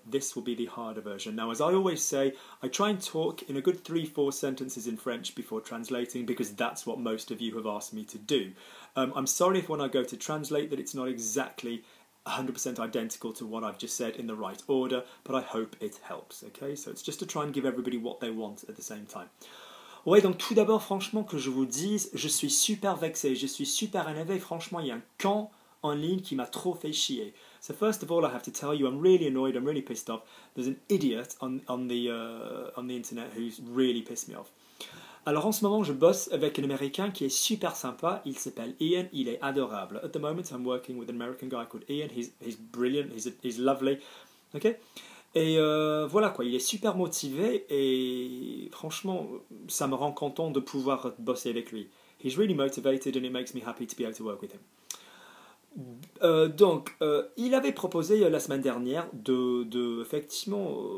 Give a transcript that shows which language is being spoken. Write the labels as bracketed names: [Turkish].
[English] This will be the harder version. Now, as I always say, I try and talk in a good 3-4 sentences in French before translating, because that's what most of you have asked me to do. I'm sorry if when I go to translate that it's not exactly 100% identical to what I've just said in the right order, but I hope it helps, okay? So it's just to try and give everybody what they want at the same time. [French] Oui, donc tout d'abord, franchement, que je vous dise, je suis super vexé, je suis super énervé, franchement, il y a un camp en ligne qui m'a trop fait chier. [English] So first of all, I have to tell you, I'm really annoyed, I'm really pissed off. There's an idiot on the internet who's really pissed me off. [French] Alors en ce moment, je bosse avec un Américain qui est super sympa, il s'appelle Ian, il est adorable. [English] At the moment, I'm working with an American guy called Ian, he's brilliant, he's lovely, ok? [French] Et voilà quoi, il est super motivé et franchement, ça me rend content de pouvoir bosser avec lui. [English] He's really motivated and it makes me happy to be able to work with him. [French] Donc, il avait proposé la semaine dernière de effectivement...